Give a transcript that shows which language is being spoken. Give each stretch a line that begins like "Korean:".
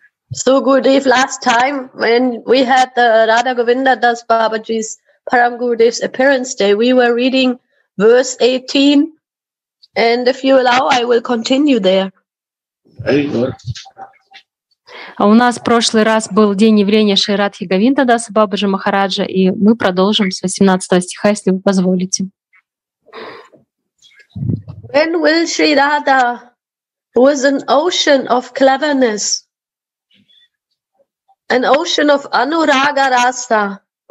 English: So Gurudev, last time when we had the Radha Govinda Das Babaji's Param Gurudev's appearance day, we were reading verse 18, and if you allow, I will continue there. Very good.
Russian: А у нас прошлый раз был день явления Шри Радхи Говинда Даса Бабаджи Махараджа, и мы продолжим с 18 стиха, если вы позволите.
English: When will Sri Radha, who is an ocean of cleverness, an ocean of Anuraga Rasa?